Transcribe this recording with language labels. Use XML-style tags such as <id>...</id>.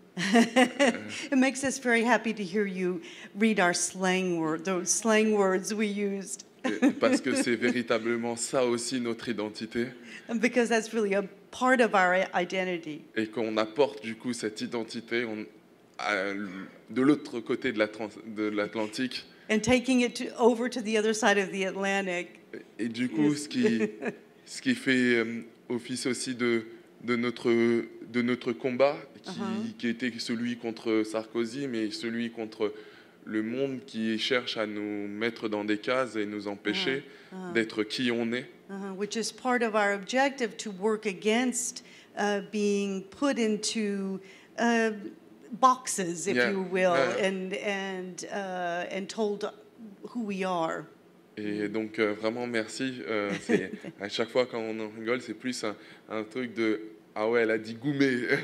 <en>It makes us very happy to hear you read our slang words, those slang words we used.</en> <fr>Parce que c'est véritablement ça aussi notre identité.</fr> <en>Because that's really a part of our identity.</en> <fr>Et qu'on apporte du coup cette identité de l'autre côté de l'Atlantique.</fr> <en>And taking it over to the other side of the Atlantic.</en> <fr>Et du coup, ce qui fait office aussi de notre combat, qui était celui contre Sarkozy, mais celui contre le monde qui cherche à nous mettre dans des cases et nous empêcher d'être qui on est.</fr> <en>Which is part of our objective to work against being put into boxes, if you will, and told who we are.</en> <fr>Et donc vraiment merci. C'est, à chaque fois quand on rigole, c'est plus un truc de ah ouais, elle a dit goumé.</fr>